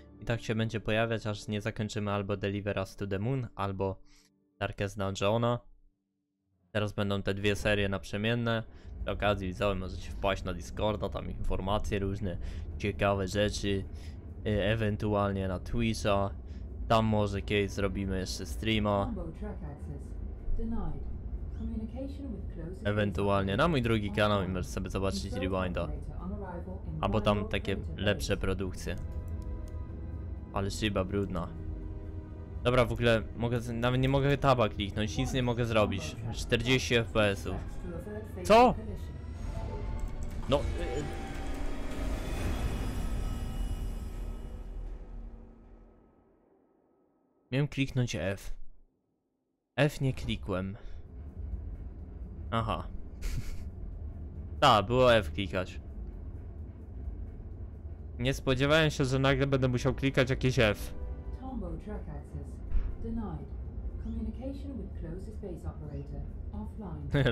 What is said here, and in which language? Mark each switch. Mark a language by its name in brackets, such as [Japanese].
[Polish] i tak się będzie pojawiać, aż nie zakończymy albo Deliver Us to the Moon, albo Darkest Dungeona. Teraz będą te dwie serie naprzemienne. Przy okazji widzowie, możecie wpaść na Discorda, tam informacje różne, ciekawe rzeczy, ewentualnie na Twitcha. Tam może kiedyś zrobimy jeszcze streama. [English] Combo track access denied. Communication with closest [Polish] Ewentualnie na mój drugi kanał i możesz sobie zobaczyć Rewinda. Albo tam takie lepsze produkcje. Ale szyba brudna. Dobra, w ogóle mogę, nawet nie mogę taba kliknąć, nic nie mogę zrobić. 40 FPS-ów. Co? No. Miałem kliknąć F. F nie klikłem. Aha. Ta, było F klikać. Nie spodziewałem się, że nagle będę musiał klikać jakieś F. [English] Tombo track access denied. Communication with closest base operator offline.